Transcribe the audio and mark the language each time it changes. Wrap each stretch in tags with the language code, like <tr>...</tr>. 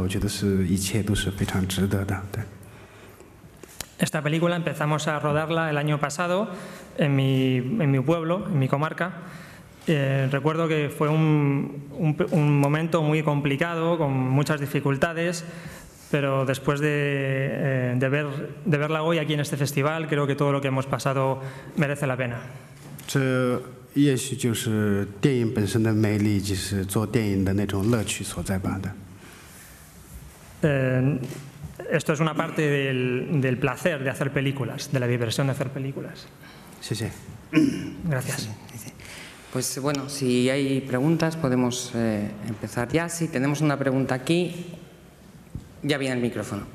<zh>然后这个片子差不多去年的时候就在我的老家拍摄，然后拍摄的季节也是非常赶上了非常比较冷的一个青藏高原的一个天气，然后那些辛苦所有的付出都是我觉得是当时是觉得特别辛苦，但是在这儿放映的时候得到这么多的反馈的时候，我觉得是一切都是非常值得的。对。</zh> <es>Esta película empezamos a rodarla el año pasado en mi pueblo, en mi comarca. Recuerdo que fue un momento muy complicado, con muchas dificultades, pero después de verla hoy aquí en este festival, creo que todo lo que hemos pasado merece la pena.</es> <zh>这也许就是电影本身的魅力，就是做电影的那种乐趣所在吧。</zh> <es>Esto es una parte del placer de hacer películas, de la diversión de hacer películas. Sí, sí. Gracias. Sí, sí. Pues bueno, si hay preguntas podemos empezar ya. Si tenemos una pregunta aquí, ya viene el micrófono.</es>